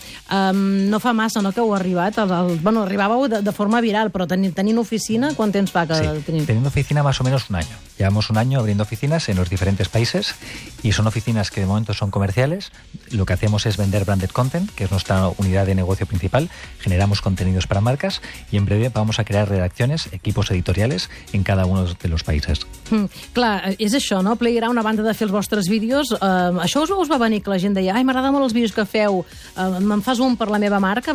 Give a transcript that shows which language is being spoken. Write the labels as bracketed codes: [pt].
[ca] No fa massa, no?, que heu arribat. Bueno, arribàveu de forma viral, però tenint oficina, quant temps fa que tenim? Sí, tenint oficina [es] más o menos un año. Llevamos un año abriendo oficinas en los diferentes países y son oficinas que de momento son comerciales. Lo que hacemos es vender branded content, que es nuestra unidad de negocio principal. Generamos contenidos para marcas y en breve vamos a crear redacciones, equipos editoriales en cada uno de los países. [ca] Clar, és això, no? Playground, a banda de fer els vostres vídeos, això us va venir que la gent deia: ai, m'agrada molt els vídeos que feu, me'n fas un per la meva marca?